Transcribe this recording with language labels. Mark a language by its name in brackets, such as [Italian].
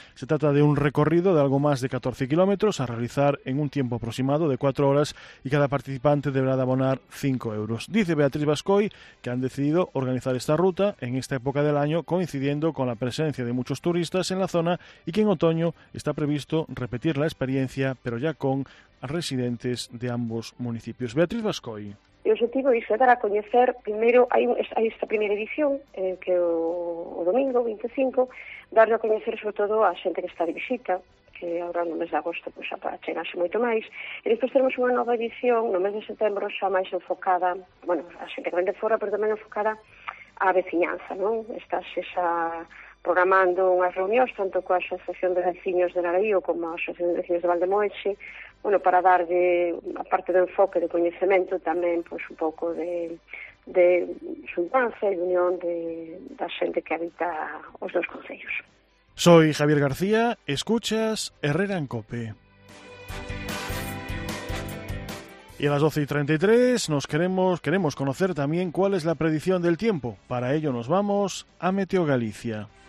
[Spanish] Se trata de un recorrido de algo más de 14 kilómetros a realizar en un tiempo aproximado de 4 horas y cada participante deberá de abonar 5 euros. Dice Beatriz Bascoy que han decidido organizar esta ruta en esta época del año, coincidiendo con la presencia de muchos turistas en la zona y que en otoño está previsto repetir la experiencia, pero ya con residentes de ambos municipios. Beatriz Bascoy. [Galician] O objetivo é dar a coñecer, primeiro, hai esta primeira edición, que o domingo 25, dar a coñecer sobre todo a xente que está de visita, que agora no mes de agosto pues, chegase moito máis, e despois teremos unha nova edición no mes de setembro, xa máis enfocada, bueno, a xente que vende fora, pero tamén enfocada á veciñanza, non? Esa programando unhas reunións tanto coa Asociación de Veciños de Narayo como a Asociación de Veciños de Valdemoeche, bueno, para dar de a parte do enfoque de coñecemento tamén pois un pouco de xuntanza e unión da xente que habita os dous concellos. [Spanish] Soy Javier García, escuchas Herrera en COPE. Y a las 12:33 queremos conocer también cuál es la predicción del tiempo. Para ello nos vamos a Meteo Galicia.